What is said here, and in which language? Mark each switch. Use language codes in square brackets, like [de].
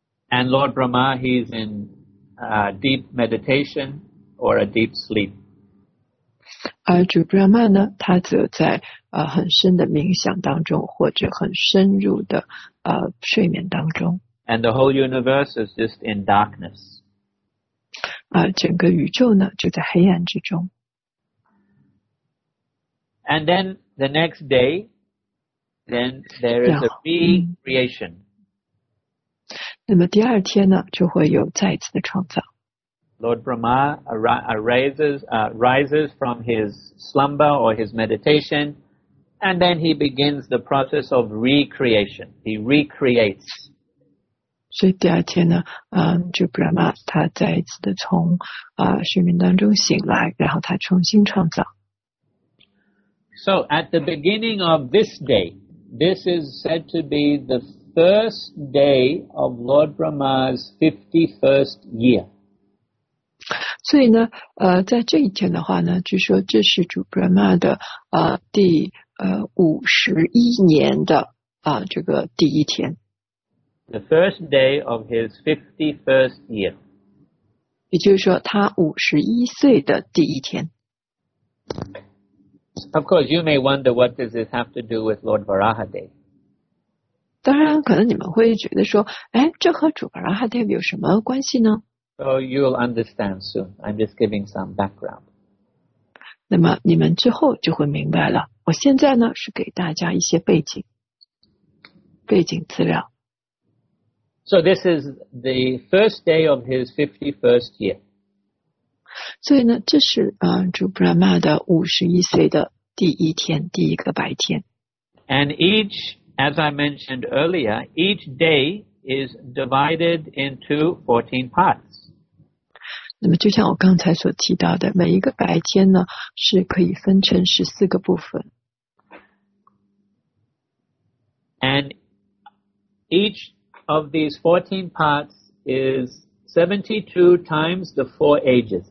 [en] And Lord Brahma, he's in deep meditation or a deep sleep. [zh] 而主 Brahma 呢，他则在很深的冥想当中，或者很深入的睡眠当中。 [en] And the whole universe is just in darkness. [zh] 整个宇宙呢就在黑暗之中。 [en] And then the next day, then there is a recreation. [zh] 那么第二天呢，就会有再次的创造。 [en] Lord Brahma rises from his slumber or his meditation, and then he begins the process of recreation. He recreates. [zh] 所以第二天呢，就 Brahma 他再一次的从睡眠当中醒来，然后他重新创造。 [en] So at the beginning of this day, this is said to be the first day of Lord Brahma's 51st year. [zh] 所以呢在这一天的话呢，据说这是主 Brahma 的第51年的这个第一天。 [en] The first day of his 51st year. [zh] 也就是说他51岁的第一天。 [en] Of course, you may wonder what does this have to do with Lord Varaha Dev. [zh] 当然可能你们会觉得说这和主 Varaha Dev 有什么关系呢？ [en] So you'll understand soon. I'm just giving some background. [zh] 那么你们之后就会明白了。我现在呢是给大家一些背景资料。 [en] So this is the first day of his 51st year. [zh] 所以呢这是主 Brahma 的51岁的第一天，第一个白天。 [en] And each, as I mentioned earlier, each day is divided into 14 parts. [zh] 那么就像我刚才所提到的，每一个白天呢是可以分成14个部分。 [en] And each of these 14 parts is 72 times the four ages.